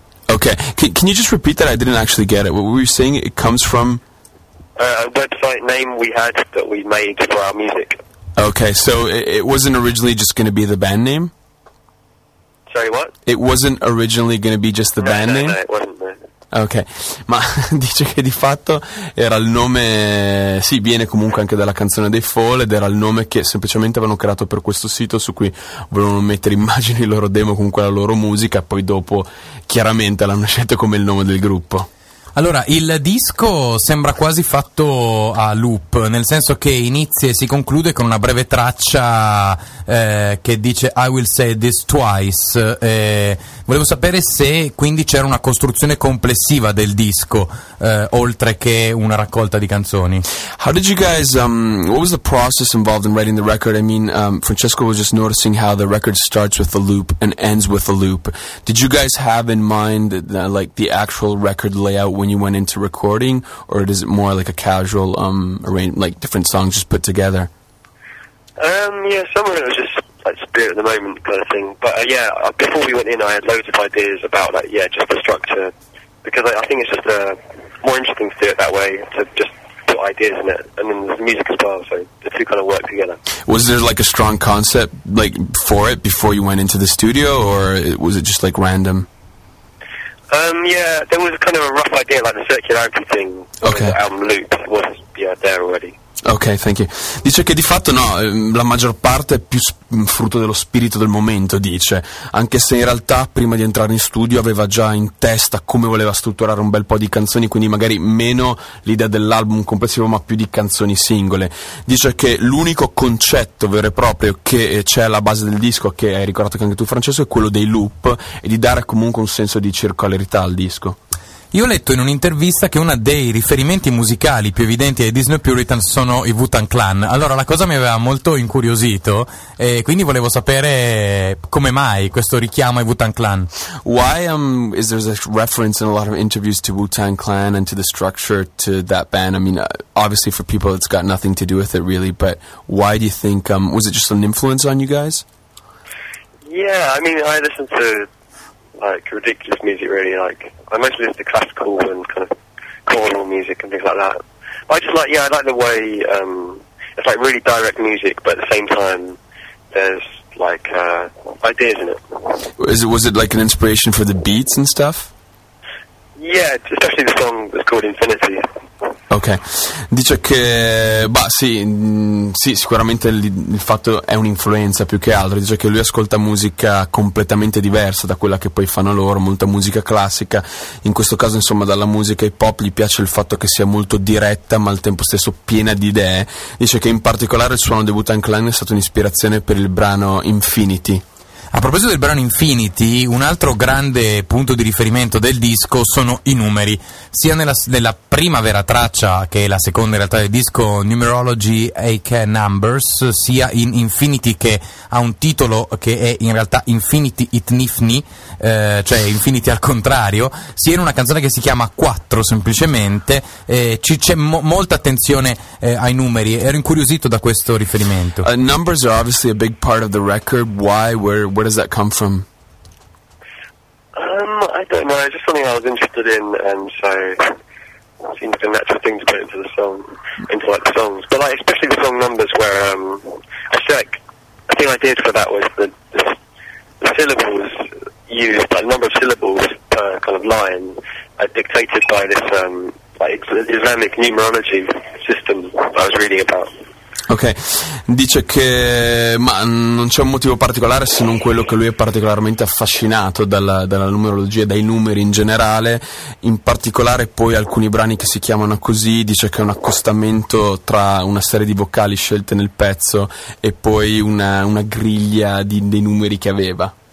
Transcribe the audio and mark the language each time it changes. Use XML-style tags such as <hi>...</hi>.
<en>Okay, can you just repeat that? I didn't actually get it. What were you saying? It comes from A website name we had that we made for our music. Okay, so it wasn't originally just going to be the band name? Sorry, what? It wasn't originally going to be just the band name? No, it wasn't.</en> <it>Ok, ma dice che di fatto era il nome, sì, viene comunque anche dalla canzone dei Fall ed era il nome che semplicemente avevano creato per questo sito su cui volevano mettere immagini, il loro demo, comunque la loro musica, poi dopo chiaramente l'hanno scelto come il nome del gruppo. Allora, il disco sembra quasi fatto a loop, nel senso che inizia e si conclude con una breve traccia che dice</it> <en>I will say this twice.</en> <it>Volevo sapere se quindi c'era una costruzione complessiva del disco, oltre che una raccolta di canzoni.</it> <en>How did you guys, what was the process involved in writing the record? I mean, Francesco was just noticing how the record starts with a loop and ends with a loop. Did you guys have in mind like the actual record layout when you went into recording, or is it more like a casual arrangement, like different songs just put together? Yeah, some of it was just like spirit of the moment kind of thing, but before we went in I had loads of ideas about like just the structure, because I think it's just more interesting to do it that way, to just put ideas in it, and then the music as well, so the two kind of work together. Was there like a strong concept like for it before you went into the studio, or was it just like random? There was kind of a rough idea, like the circularity thing. Okay. The album loop was there already. Ok, thank you.</en> <it>Dice che di fatto no, la maggior parte è più frutto dello spirito del momento, dice, anche se in realtà prima di entrare in studio aveva già in testa come voleva strutturare un bel po' di canzoni, quindi magari meno l'idea dell'album complessivo ma più di canzoni singole. Dice che l'unico concetto vero e proprio che c'è alla base del disco, che hai ricordato che anche tu Francesco, è quello dei loop e di dare comunque un senso di circolarità al disco. Io ho letto in un'intervista che uno dei riferimenti musicali più evidenti ai Disney Puritans sono i Wu-Tang Clan. Allora la cosa mi aveva molto incuriosito e quindi volevo sapere come mai questo richiamo ai Wu-Tang Clan.</it> <en>Why is there a reference in a lot of interviews to Wu-Tang Clan and to the structure to that band? I mean, obviously for people it's got nothing to do with it really, but why do you think, was it just an influence on you guys? Yeah, I mean, I listen to like ridiculous music really, like I mostly listen to classical and kind of choral music and things like that. But I just like, I like the way it's like really direct music, but at the same time there's like ideas in it. Was it like an inspiration for the beats and stuff? Yeah, especially the song that's called Infinity.</en> <it>Ok, dice che, sì, sicuramente il fatto è un'influenza più che altro. Dice che lui ascolta musica completamente diversa da quella che poi fanno loro, molta musica classica, in questo caso insomma dalla musica hip hop. Gli piace il fatto che sia molto diretta ma al tempo stesso piena di idee. Dice che in particolare il suono di Wu-Tang Clan è stato un'ispirazione per il brano Infinity. A proposito del brano Infinity, un altro grande punto di riferimento del disco sono i numeri, sia nella prima vera traccia, che è la seconda in realtà del disco, Numerology aka Numbers, sia in Infinity, che ha un titolo che è in realtà Infinity It Nifni, cioè Infinity al contrario, sia in una canzone che si chiama 4 semplicemente, c'è molta attenzione ai numeri. Ero incuriosito da questo riferimento.</it> <en>Numbers are obviously a big part of the record. Where does that come from? I don't know. It's just something I was interested in, and so it seems like a natural thing to put into the song, into like the songs. But like, especially the song Numbers, where I think I did for that was the syllables used, like number of syllables per kind of line, dictated by this like Islamic numerology system that I was reading about.</en> <it>Ok, dice che non c'è un motivo particolare se non quello che lui è particolarmente affascinato dalla numerologia, dai numeri in generale, in particolare poi alcuni brani che si chiamano così. Dice che è un accostamento tra una serie di vocali scelte nel pezzo e poi una griglia dei numeri che aveva.</it>